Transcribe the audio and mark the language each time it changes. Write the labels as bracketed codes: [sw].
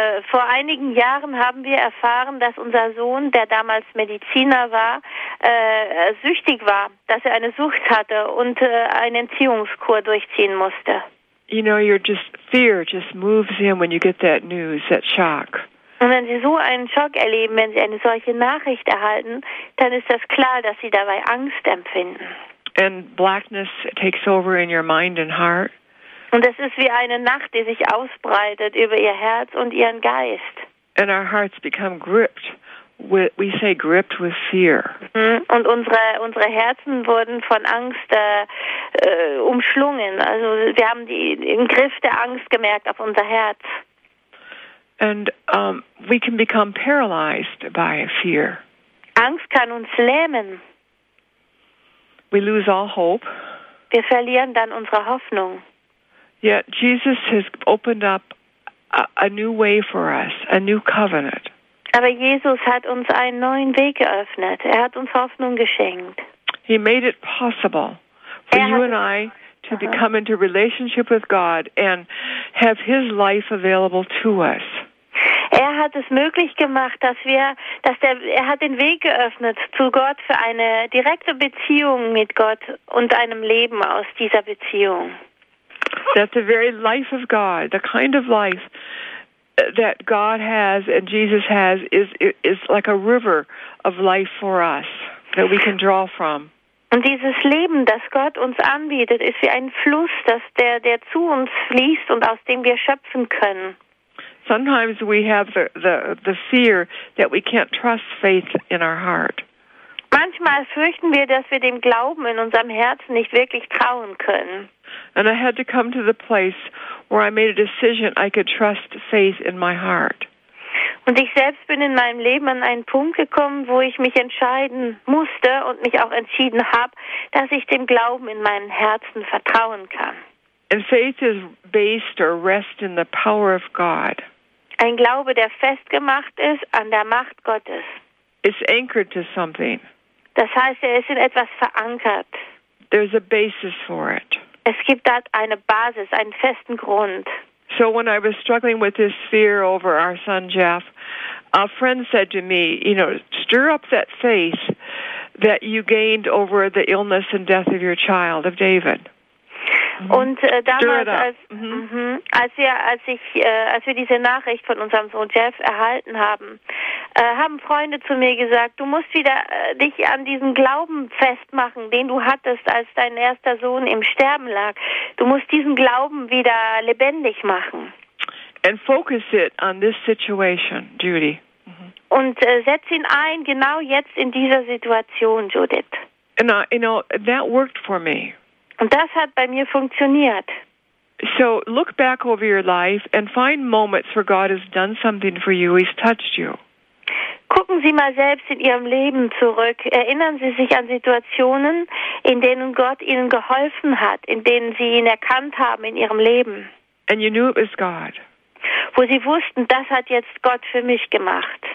[de] Vor einigen Jahren haben wir erfahren, dass unser Sohn, der damals Mediziner war, süchtig war, dass er eine Sucht hatte und eine Entziehungskur durchziehen musste. [en] You know, you're just fear just moves him when you get that news, that shock. [de] Und wenn Sie so einen Schock erleben, wenn Sie eine solche Nachricht erhalten, dann ist das klar, dass Sie dabei Angst empfinden. [en] And blackness takes over in your mind and heart. [de] Und es ist wie eine Nacht, die sich ausbreitet über Ihr Herz und Ihren Geist. [en] And our hearts become gripped. We say gripped with fear. [de] Und unsere Herzen wurden von Angst umschlungen. Also wir haben den Griff der Angst gemerkt auf unser Herz. [en] And we can become paralyzed by fear. [de] Angst kann uns lähmen. [en] We lose all hope. [de] Wir verlieren dann unsere Hoffnung. [en] Yet Jesus has opened up a new way for us, a new covenant. [de] Aber Jesus hat uns einen neuen Weg geöffnet. Er hat uns Hoffnung geschenkt. [en] He made it possible for you and I to become into relationship with God and have his life available to us. [de] Er hat es möglich gemacht, er hat den Weg geöffnet zu Gott für eine direkte Beziehung mit Gott und einem Leben aus dieser Beziehung. [en] That the very life of God, the kind of life that God has and Jesus has is like a river of life for us that we can draw from. [de] Und dieses Leben, das Gott uns anbietet, ist wie ein Fluss, der zu uns fließt und aus dem wir schöpfen können. [en] Sometimes we have the fear that we can't trust faith in our heart. [de] Manchmal fürchten wir, dass wir dem Glauben in unserem Herzen nicht wirklich trauen können. [en] And I had to come to the place where I made a decision I could trust faith in my heart. [de] Und ich selbst bin in meinem Leben an einen Punkt gekommen, wo ich mich entscheiden musste und mich auch entschieden habe, dass ich dem Glauben in meinem Herzen vertrauen kann. [en] And faith is based or rest in the power of God. [de] Ein Glaube, der festgemacht ist an der Macht Gottes. [en] It's anchored to something. [de] Das heißt, er ist in etwas verankert. [en] There's a basis for it. [de] Es gibt dort eine Basis, einen festen Grund. [en] So when I was struggling with this fear over our son Jeff, a friend said to me, you know, stir up that faith that you gained over the illness and death of your child, of David. [de] Und als wir diese Nachricht von unserem Sohn Jeff erhalten haben, haben Freunde zu mir gesagt, du musst wieder dich an diesen Glauben festmachen, den du hattest, als dein erster Sohn im Sterben lag. Du musst diesen Glauben wieder lebendig machen. [en] And focus it on this situation, Judy. Mm-hmm. [de] Und setz ihn ein, genau jetzt in dieser Situation, Judith. [en] And you know, that worked for me. [de] Und das hat bei mir funktioniert. [en] So look back over your life and find moments where God has done something for you. He's touched you. [de] Gucken Sie mal selbst in Ihrem Leben zurück. Erinnern Sie sich an Situationen, in denen Gott Ihnen geholfen hat, in denen Sie ihn erkannt haben in Ihrem Leben. [en] And you knew it was God. [de] Wo Sie wussten, das hat jetzt Gott für mich gemacht.